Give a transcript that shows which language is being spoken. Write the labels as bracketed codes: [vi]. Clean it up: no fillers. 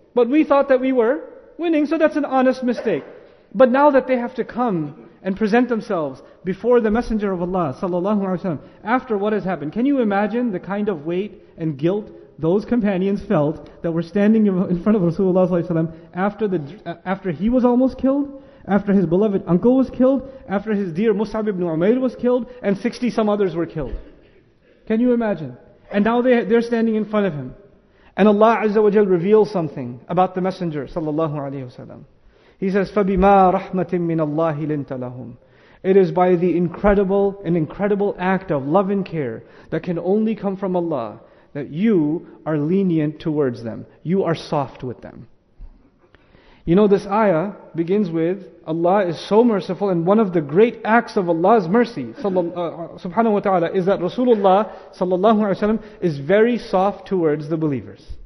[en] But we thought that we were winning, so that's an honest mistake. But now that they have to come and present themselves before the Messenger of Allah sallallahu alaihi wasallam, after what has happened, can you imagine the kind of weight and guilt those companions felt that were standing in front of Rasulullah sallallahu alaihi wasallam after he was almost killed, after his beloved uncle was killed, after his dear Mus'ab ibn Umair was killed, and 60 some others were killed? Can you imagine? And now they're standing in front of him. And Allah Azza wa Jal reveals something about the Messenger sallallahu alaihi wasallam. He says, [ar] فَبِمَا رَحْمَةٍ مِّنَ اللَّهِ لِنْتَ لَهُمْ. [en] It is by the incredible, an incredible act of love and care that can only come from Allah, that you are lenient towards them. You are soft with them. You know, this ayah begins with, Allah is so merciful, and one of the great acts of Allah's mercy, subhanahu wa ta'ala, is that Rasulullah sallallahu alayhi wa sallam is very soft towards the believers.